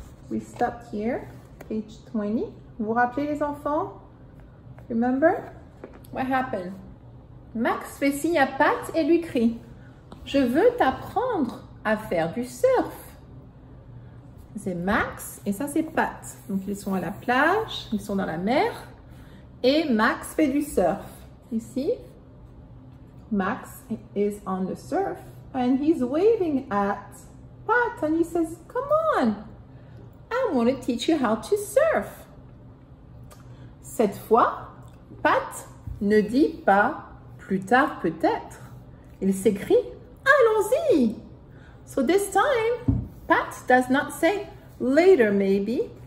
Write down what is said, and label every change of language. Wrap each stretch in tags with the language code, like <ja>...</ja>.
<en>We stopped here, page 20.</en> <fr>Vous vous rappelez les enfants?</fr> <en>Remember? What happened?</en> <fr>Max fait signe à Pat et lui crie: je veux t'apprendre à faire du surf. C'est Max et ça c'est Pat. Donc ils sont à la plage, ils sont dans la mer et Max fait du surf.</fr> <en>Ici, Max is on the surf and he's waving at Pat and he says, come on, I want to teach you how to surf.</en> <fr>Cette fois, Pat ne dit pas plus tard peut-être. Il s'écrie, allons-y.</fr> <en>So this time, Pat does not say later maybe.</en>